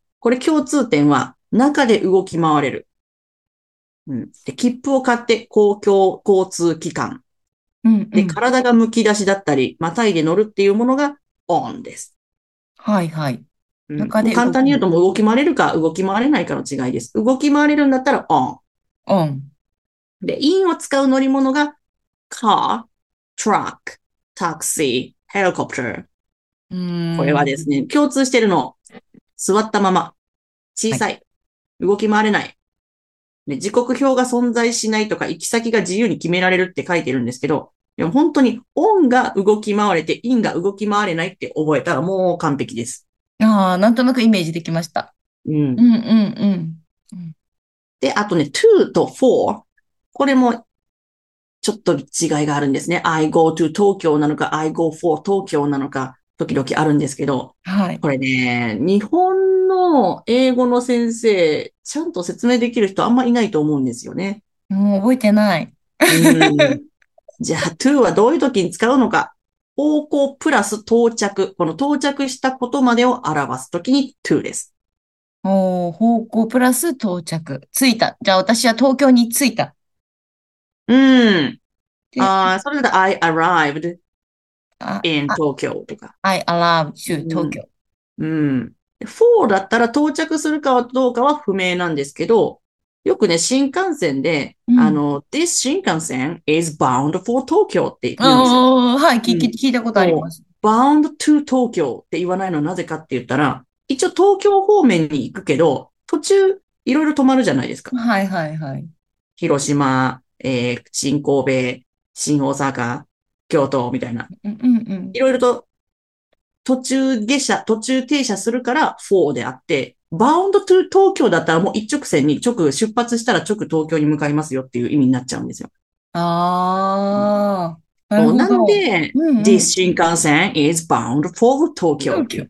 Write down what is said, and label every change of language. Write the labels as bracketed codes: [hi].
[ja] これ共通点は、中で動き回れる。うん。で、切符を買って公共交通機関。うん、うん。で、体がむき出しだったり、またいで乗るっていうものが、オンです。はい、はい。中で簡単に言うと、もう動き回れるか動き回れないかの違いです。動き回れるんだったら、on。 on。で、in を使う乗り物が、car, truck, taxi, helicopter。これはですね、共通してるの。座ったまま。小さい。はい、動き回れない。で、時刻表が存在しないとか、行き先が自由に決められるって書いてるんですけど、でも本当にオンが動き回れて、インが動き回れないって覚えたらもう完璧です。ああ、なんとなくイメージできました。うん。で、あとね、to と for。これも、ちょっと違いがあるんですね。 [en] I go to Tokyo [ja] なのか、 [en] I go for Tokyo [ja] なのか、時々あるんですけど、これね、日本の英語の先生、ちゃんと説明できる人あんまいないと思うんですよね。もう覚えてない。うん。じゃあ、to はどういう時に使うのか。方向プラス到着。この到着したことまでを表す時に to です。おお、方向プラス到着。着いた。じゃあ私は東京に着いた。うん。で、それで [en] I arrived in Tokyo [ja] とか。 [en] I arrived to [ja] うん。 Tokyo。うん。 for だったら到着するかどうかは不明なんですけど、よくね、新幹線で、this 新幹線 [en] is bound for Tokyo [ja] って言うんですよ。おお、はい、うん。聞いたことあります。こう、bound to Tokyo って言わないのはなぜかって言ったら、一応東京方面に行くけど、途中いろいろ止まるじゃないですか。広島。新神戸、新大阪、京都みたいな。いろいろと途中停車するから4であって、bound to Tokyo だったらもう一直線に直出発したら直東京に向かいますよっていう意味になっちゃうんですよ。なるそう、ほなんど。で、this 新幹線 [en] is bound for Tokyo [ja] っていう。